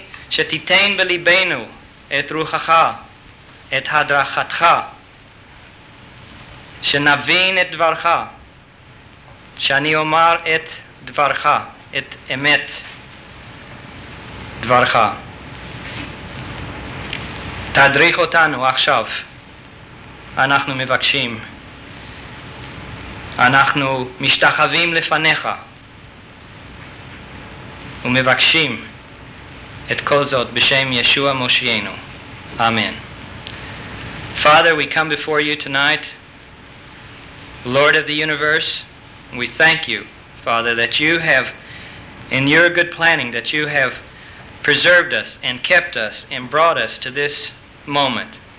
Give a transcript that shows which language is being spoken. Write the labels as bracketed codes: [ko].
[he] שתיתן בליבנו את רוחך, את הדרכתך, שנבין את דברך, שאני אומר את דברך, את אמת דברך. תדריך אותנו עכשיו, אנחנו מבקשים, אנחנו משתחווים לפניך ומבקשים את כל זאת בשם ישוע מושיענו. אמן. [en] Father, we come before you tonight, Lord of the universe, we thank you, Father, that you have, in your good planning, that you have preserved us and kept us and brought us to this moment.